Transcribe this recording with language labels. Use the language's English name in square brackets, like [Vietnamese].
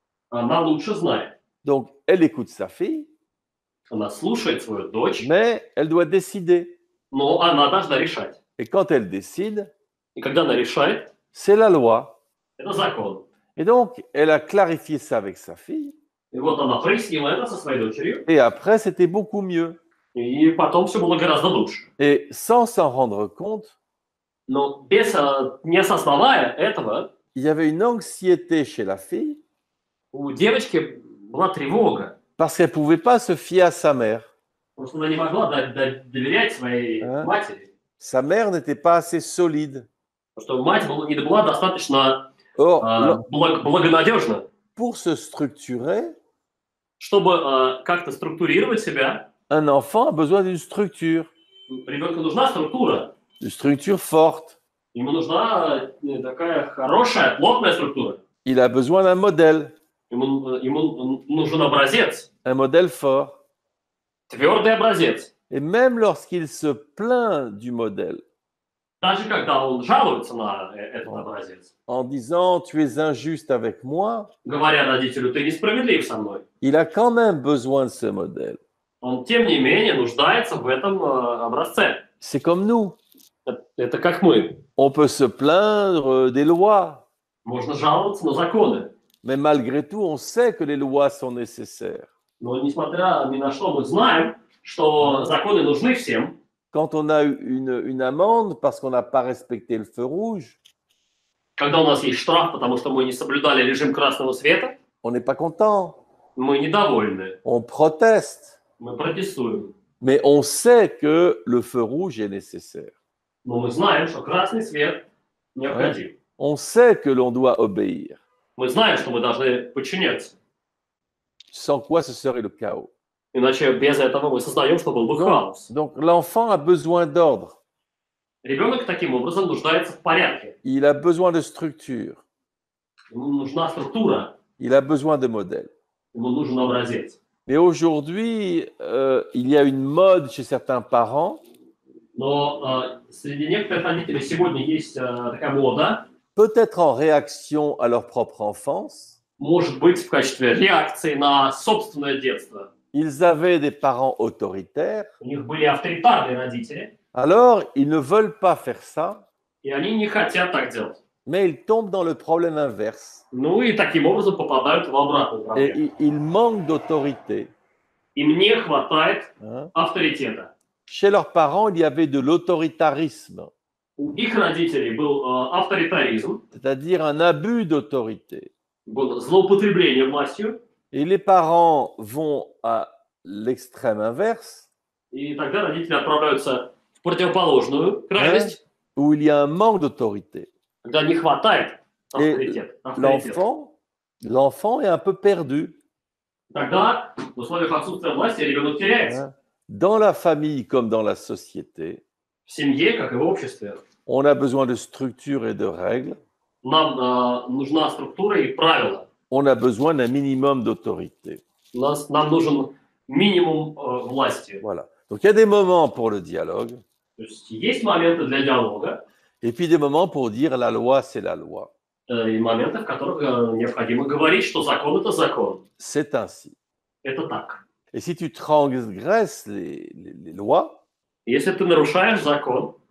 [Russian] Она лучше знает. [French] Donc, elle écoute sa fille. [Russian] Она слушает свою дочь. [French] Mais elle doit décider. [Russian] Но она должна решать. [French] Et quand elle décide, [Russian] и когда она решает, [French] c'est la loi. [Russian] Это закон. [French] Et donc, elle a clarifié ça avec sa fille. [Russian] И вот она прояснила это со своей дочерью. [French] Et après, c'était beaucoup mieux. [Russian] И потом все было гораздо лучше. [French] Et sans s'en rendre compte, [Russian] но без, не осознавая этого, [French] il y avait une anxiété chez la fille, [Russian] у девочки была тревога. [French] Parce qu'elle pouvait pas se fier à sa mère. [Russian] Потому что она не могла доверять своей матери. [French] Sa mère n'était pas assez solide. [Russian] Потому что мать не была достаточно благонадежна. [French] Pour se structurer, [Russian] чтобы как-то структурировать себя, [French] un enfant a besoin d'une structure. [Russian] Ребенку нужна структура. [French] Une structure forte. [Russian] Ему нужна такая хорошая, плотная структура. [French] Il a besoin d'un modèle. [Russian] Ему нужен образец. [French] Un modèle fort. [Russian] Твердый образец. [French] Et même lorsqu'il se plaint du modèle. [Russian] Даже когда он жалуется на этот образец. [French] En disant, tu es injuste avec moi. [Russian] Говоря родителю, ты несправедлив со мной. [French] Il a quand même besoin de ce modèle. [Russian] Он, тем не менее, нуждается в этом образце. [French] C'est comme nous. [Russian] Это как мы. [French] On peut se plaindre des lois. [Russian] Можно жаловаться на законы. [French] Mais malgré tout, on sait que les lois sont nécessaires. [Russian] Но несмотря ни на что, мы знаем, что законы нужны всем. [French] Quand on a une amende parce qu'on n'a pas respecté le feu rouge, [Russian] когда у нас есть штраф, потому что мы не соблюдали режим красного света, [French] on n'est pas content. [Russian] Мы недовольны. [French] On proteste. [Russian] Мы протестуем. [French] Mais on sait que le feu rouge est nécessaire. [Russian] Но мы знаем, что красный свет необходим. [French] On sait que l'on doit obéir. [Russian] Мы знаем, что мы должны подчиняться. [French] Sans quoi ce serait le chaos. [Russian] Иначе без этого мы создаем, что был бы хаос. [French] Donc l'enfant a besoin d'ordre. [Russian] Ребенок таким образом нуждается в порядке. [French] Il a besoin de structure. [Russian] Ему нужна структура. [French] Il a besoin de modèle. [Russian] Ему нужен образец. [French] Mais aujourd'hui, il y a une mode chez certains parents. [Russian] Но среди некоторых родителей сегодня есть такая мода. [French] Peut-être en réaction à leur propre enfance. [Russian] Может быть, в качестве реакции на собственное детство. [French] Ils avaient des parents autoritaires. [Russian] У них были авторитарные родители. [French] Alors, ils ne veulent pas faire ça. [Russian] И они не хотят так делать. [French] Mais ils tombent dans le problème inverse. [Russian] Ну и таким образом попадают в обратную проблему. [French] Et ils manquent d'autorité. [Russian] Им не хватает авторитета. [French] Chez leurs parents, il y avait de l'autoritarisme. [Russian] У их родителей был авторитаризм. [French] C'est-à-dire un abus d'autorité. [Russian] Было злоупотребление властью. [French] Et les parents vont à l'extrême inverse. Et [Russian] тогда родители отправляются в противоположную крайность. Hein? [French] Où il y a un manque d'autorité. [Russian] Когда не хватает авторитет. [French] L'enfant est un peu perdu. [Russian] Тогда в условиях отсутствия власти ребенок теряется. Hein? [French] Dans la famille comme dans la société. [Russian] В семье, как и в обществе. [French] On a besoin de structure et de règles. [Russian] Нам нужна структура и правила. [French] On a besoin d'un minimum d'autorité. [Russian] Нам нужен минимум власти. [French] Voilà. Donc il y a des moments pour le dialogue. [Russian] Есть моменты для диалога. [French] Et puis des moments pour dire la loi, c'est la loi. [Russian] И моменты, в которых необходимо говорить, что закон – это закон. [French] C'est ainsi. [Russian] Это так. [French] Et si tu transgresses les lois, [Russian] если ты нарушаешь закон,